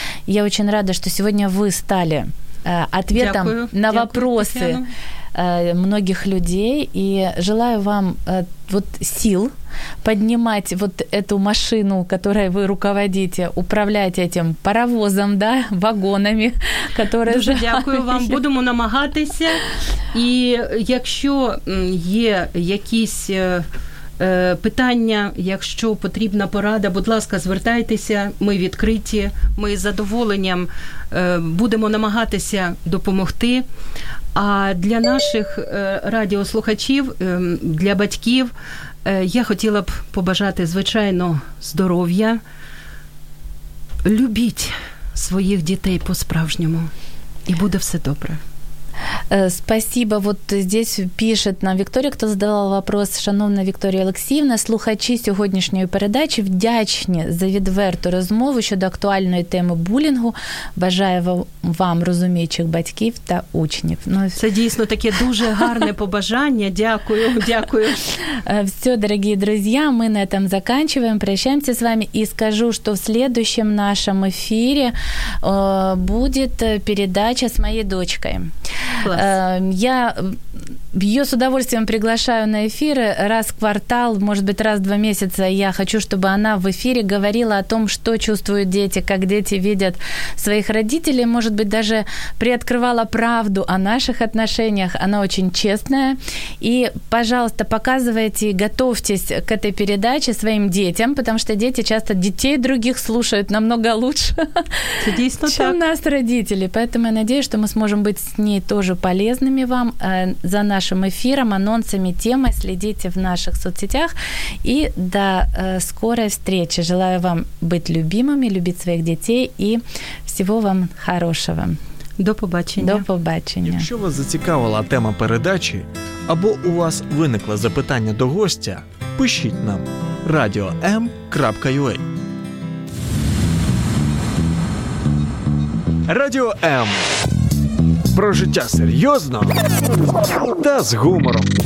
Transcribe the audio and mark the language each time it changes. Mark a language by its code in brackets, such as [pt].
[ru] Я очень рада, что сегодня вы стали ответом на вопросы многих людей, и желаю вам вот сил поднимать вот эту машину, которой вы руководите, управлять этим паровозом, да, вагонами, которые... [uk] Дуже дякую вам, будемо намагатися, і якщо є якісь питання, якщо потрібна порада, будь ласка, звертайтеся, ми відкриті, ми з задоволенням будемо намагатися допомогти. А для наших радіослухачів, для батьків, я хотіла б побажати, звичайно, здоров'я. Любіть своїх дітей по-справжньому, і буде все добре. [ru] Спасибо. Вот здесь пишет нам Виктория, кто задавал вопрос. [uk] Шановна Виктория Олексіївна, слухачі сьогоднішньої передачі вдячні за відверту розмову щодо актуальної теми булінгу. Бажаю вам розуміючих батьків та учнів. Ну, це дійсно таке дуже гарне побажання. Дякую, дякую. Все, дорогі друзі, ми [ru] на этом заканчиваем. Прощаемся с вами. [uk] І скажу, що в [ru] следующем нашем [uk] ефірі буде передача з моєю дочкою. [ru] Класс. Я ее с удовольствием приглашаю на эфиры раз в квартал, может быть, раз в два месяца. Я хочу, чтобы она в эфире говорила о том, что чувствуют дети, как дети видят своих родителей. Может быть, даже приоткрывала правду о наших отношениях. Она очень честная. И, пожалуйста, показывайте, готовьтесь к этой передаче своим детям, потому что дети часто детей других слушают намного лучше, чем нас, родители. Поэтому я надеюсь, что мы сможем быть с ней тоже полезными вам. За нашим эфиром, анонсами, темой следите в наших соцсетях. И до скорой встречи. Желаю вам быть любимыми, любить своих детей и всего вам хорошего. [uk] До побачення. До побачення. Якщо вас зацікавила тема передачі або у вас виникло запитання до гостя, пишіть нам radio.m.ua. Радіо М. Про життя серйозно та з гумором.